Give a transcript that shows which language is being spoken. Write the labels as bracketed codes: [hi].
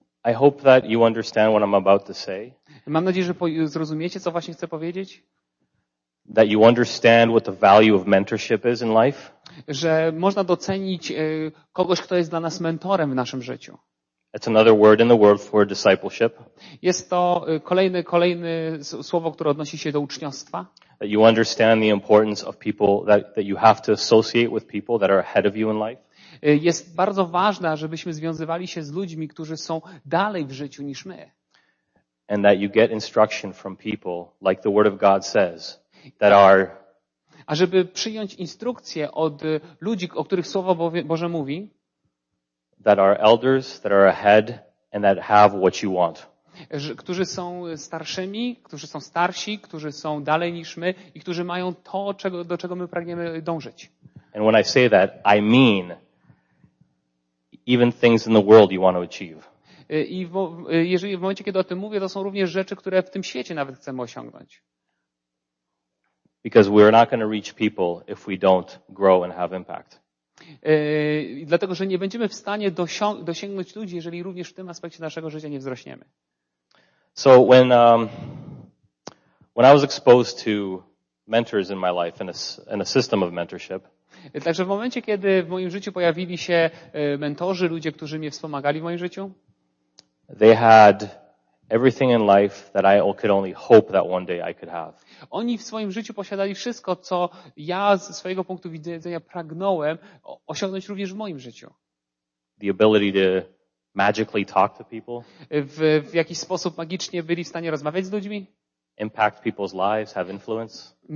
[en] I hope that you understand what I'm about to say. [pl] Mam nadzieję, że zrozumiecie, co właśnie chcę powiedzieć. [en] That you understand what the value of mentorship is in life. [pl] Że można docenić kogoś, kto jest dla nas mentorem w naszym życiu. [en] It's another word in the world for discipleship. [pl] Jest to kolejne słowo, które odnosi się do uczniostwa. [en] That you understand the importance of people that you have to associate with people that are ahead of you in life. [pl] Jest bardzo ważne, żebyśmy związywali się z ludźmi, którzy są dalej w życiu niż my. [en] And that you get instruction from people like the word of God says that are. [pl] A żeby przyjąć instrukcje od ludzi, o których słowo Boże mówi. [en] That are elders, that are ahead, and that have what you want. [pl] Którzy są starszymi, którzy są starsi, którzy są dalej niż my i którzy mają to, do czego my pragniemy dążyć. [en] And when I say that, I mean even things in the world you want to achieve. [pl] I jeżeli w momencie, kiedy o tym mówię, to są również rzeczy, które w tym świecie nawet chcemy osiągnąć. [en] Because we're not going to reach people if we don't grow and have impact. [pl] Dlatego, że nie będziemy w stanie dosięgnąć ludzi, jeżeli również w tym aspekcie naszego życia nie wzrośniemy. [en] So when I was exposed to mentors in my life in a system of mentorship. [pl] Także w momencie, kiedy w moim życiu pojawili się mentorzy, ludzie, którzy mnie wspomagali w moim życiu, [en] they had everything in life that I could only hope that one day I could have. [pl] Oni w swoim życiu posiadali wszystko, co ja z swojego punktu widzenia pragnąłem osiągnąć również w moim życiu. [en] The ability to magically talk to people. [pl] W jakiś sposób magicznie byli w stanie rozmawiać z ludźmi. [en] Impact people's lives, have influence.